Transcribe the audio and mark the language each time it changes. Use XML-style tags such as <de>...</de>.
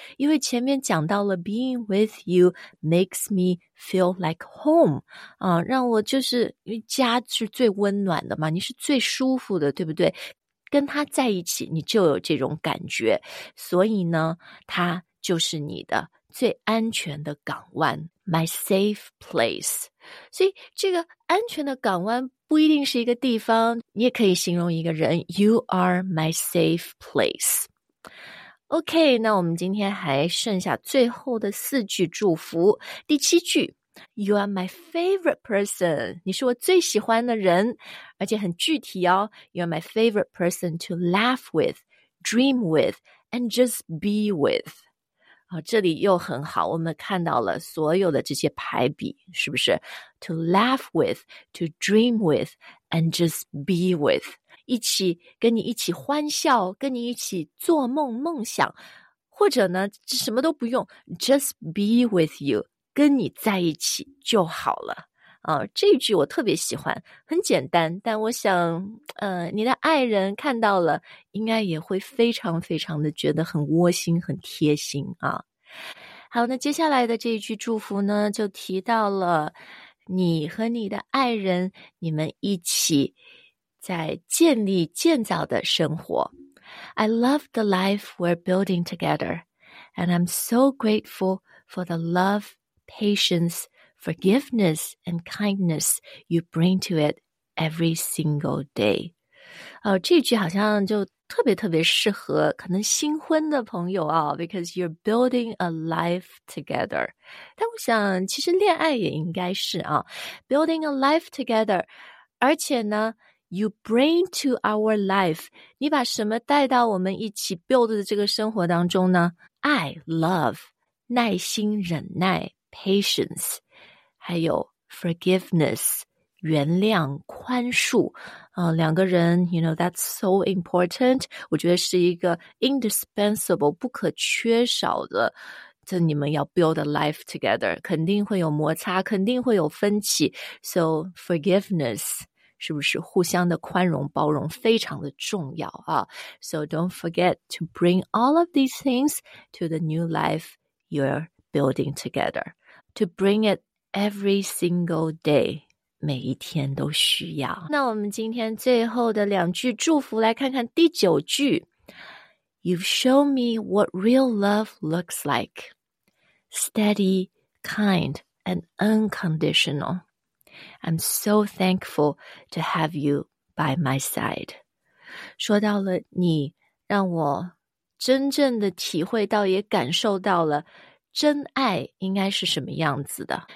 <zh>因为前面讲到了</zh> <en>being with you makes me feel like home.</en> <zh>啊，让我就是，因为家是最温暖的嘛，你是最舒服的，对不对？跟他在一起，你就有这种感觉。所以呢，他就是你的最安全的港湾。</zh> <en>My safe place.</en> <zh>所以这个安全的港湾不一定是一个地方，你也可以形容一个人。</zh> <en>You are my safe place.</en> <zh>OK, 那我们今天还剩下最后的四句祝福。第七句</zh> <en>You are my favorite person.</en> <zh>你是我最喜欢的人，而且很具体哦。</zh> <en>You are my favorite person to laugh with, dream with, and just be with.</en> <zh>这里又很好，我们看到了所有的这些排比，是不是 ？</zh> <en>To laugh with, to dream with, and just be with，</en> <zh>一起跟你一起欢笑，跟你一起做梦梦想，或者呢，什么都不用 ，</zh> <en>just be with you，</en> <zh>跟你在一起就好了。啊，这一句我特别喜欢，很简单，但我想，你的爱人看到了。应该也会非常非常的觉得很窝心很贴心啊。好，那接下来的这一句祝福呢就提到了你和你的爱人你们一起在建立建造的生活。</zh> <en>I love the life we're building together, and I'm so grateful for the love, patience, forgiveness, and kindness you bring to it every single day.</en> <zh>这句好像就特别特别适合可能新婚的朋友啊 ，</zh> <en>because you're building a life together.</en> <zh>但我想，其实恋爱也应该是啊 ，</zh> <en>building a life together.</en> <zh>而且呢</zh> <en>，you bring to our life.</en> <zh>你把什么带到我们一起 build 的这个生活当中呢？爱 ，love， 耐心，忍耐 ，patience， 还有 forgiveness。原谅宽恕两个人</zh> <en>you know, that's so important.</en> <zh>我觉得是一个 indispensable, 不可缺少的这你们要</zh> <en>build a life together.</en> <zh>肯定会有摩擦肯定会有分歧。</zh> <en>So, forgiveness,</en> <zh>是不是互相的宽容包容非常的重要啊</zh> <en>So, don't forget to bring all of these things to the new life you're building together. To bring it every single day.</en> <zh>每一天都需要。那我们今天最后的两句祝福来看看第九句。</zh> <en>You've shown me what real love looks like. Steady, kind, and unconditional. I'm so thankful to have you by my side.</en> <zh>说到了你让我真正的体会到也感受到了真爱应该是什么样子的。</zh>